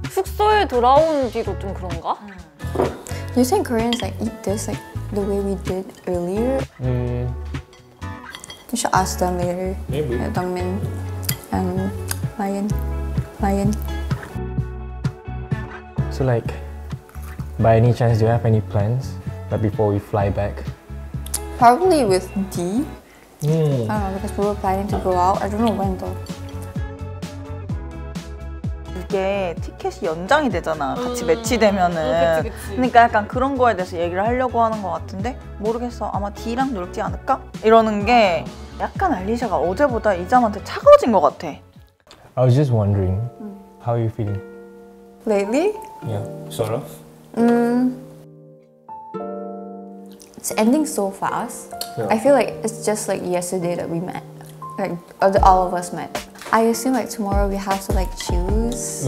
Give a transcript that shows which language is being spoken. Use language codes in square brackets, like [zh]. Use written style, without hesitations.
[ko] 숙소에 돌아온 뒤도 좀 그런가? [en] You think Koreans like eat this like the way we did earlier? You should ask them later. Maybe. Dongmin and Lion. So like, by any chance, do you have any plans like before we fly back? Probably with D. I don't know, because we were planning to go out. I don't know when though. [ko] 이게 티켓이 연장이 되잖아. 같이 매치되면은. 그러니까 약간 그런 거에 대해서 얘기를 하려고 하는 것 같은데 모르겠어. 아마 D랑 놀지 않을까? 이러는 게 약간 알리샤가 어제보다 이잠한테 차가워진 것 같아. [en] I was just wondering, how are you feeling? Lately? Yeah, sort of. It's ending so fast. Yeah. I feel like it's just like yesterday that we met. Like all of us met. I assume like tomorrow we have to like choose.